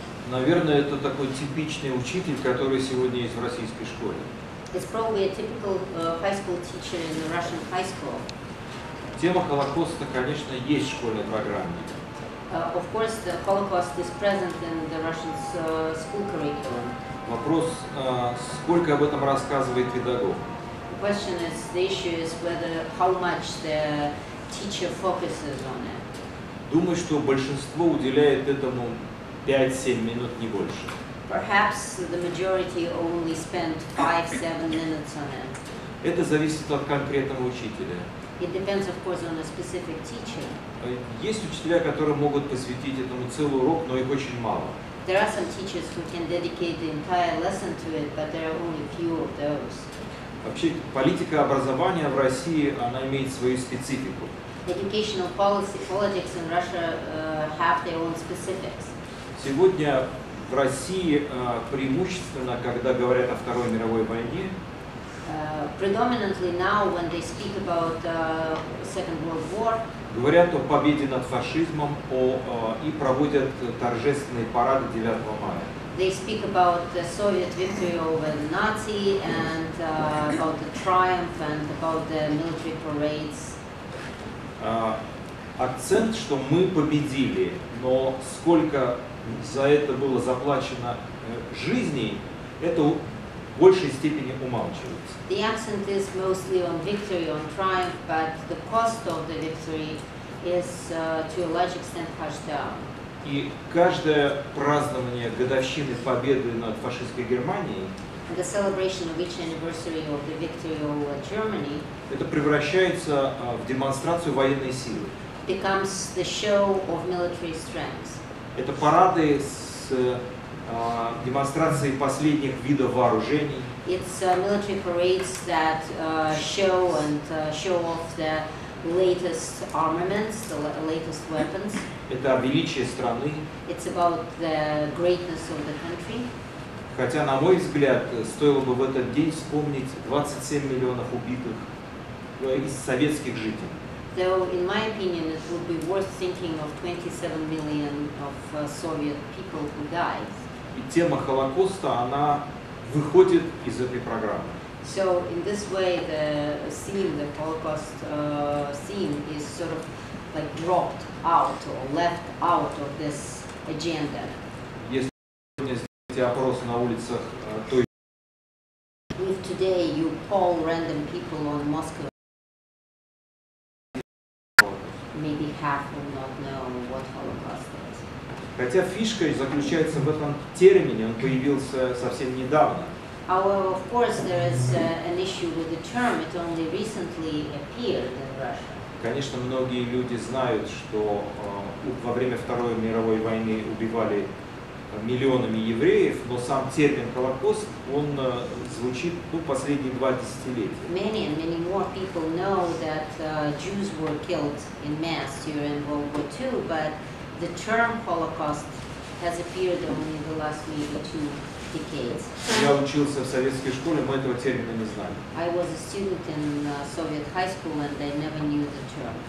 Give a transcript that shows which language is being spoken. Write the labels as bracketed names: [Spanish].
[Russian] Наверное, это такой типичный учитель, который сегодня есть в российской школе. [English] It's probably a typical high school teacher in a Russian high school. [Russian] Тема Холокоста, конечно, есть в школьной программе. [English] Of course, the Holocaust is present in the Russian school curriculum. [Russian] Вопрос, сколько об этом рассказывает педагог? [English] The question is, the issue is whether how much the teacher focuses on it. [Russian] Думаю, что большинство уделяет этому 5-7 минут, не больше. [English] Perhaps the majority only spend 5-7 minutes on it. [Russian] Это зависит от конкретного учителя. [English] It depends, of course, on a specific teacher. [Russian] Есть учителя, которые могут посвятить этому целый урок, но их очень мало. [English] There are some teachers who can dedicate the entire lesson to it, but there are only few of those. [Russian] Вообще, политика образования в России, она имеет свою специфику. [English] Educational policy, politics in Russia have their own specifics. [Russian] Сегодня в России преимущественно, когда говорят о Второй мировой войне, [English] Predominantly now, when they speak about Second World War, [Russian] говорят о победе над фашизмом, и проводят торжественные парады 9 мая. [English] They speak about the Soviet victory over the Nazi and about the triumph and about the military parades. [Russian] Акцент, что мы победили, но сколько за это было заплачено жизней, это в большей степени умалчивается. [English] The accent is mostly on victory, on triumph, but the cost of the victory is to a large extent hushed down. [Russian] И каждое празднование годовщины победы над фашистской Германией, [English] the celebration of each anniversary of the victory over Germany, [Russian] это превращается в демонстрацию военной силы. [English] Becomes the show of military strength. [Russian] Это парады с демонстрации последних видов вооружений. [English] It's military parades that show and show off the latest armaments, the latest weapons. [Russian] Это о величии страны. [English] It's about the greatness of the country. [Russian] Хотя, на мой взгляд, стоило бы в этот день вспомнить 27 миллионов убитых из советских жителей. [English] Though, in my opinion, it would be worth thinking of 27 million of Soviet people who died. [Russian] И тема Холокоста, она выходит из этой программы. [English] So, in this way, the theme, the Holocaust theme, is sort of like dropped out or left out of this agenda. [Russian] Если сегодня сделаете опрос на улицах той... [English] If today you poll random people on Moscow, maybe half will not know what Holocaust is. [Russian] Хотя фишка заключается в этом термине, он появился совсем недавно. [English] However, of course, there is an issue with the term. It only recently appeared in Russia. [Russian] Конечно, многие люди знают, что во время Второй мировой войны убивали миллионами евреев, но сам термин «Холокост», он звучит последние два десятилетия. [English] Many and many more people know that Jews were killed in mass during World War II, but the term Holocaust has appeared only in the last maybe two decades. [Russian] Я учился в советской школе, мы этого термина не знали. [English] I was a student in Soviet high school and I never knew the term.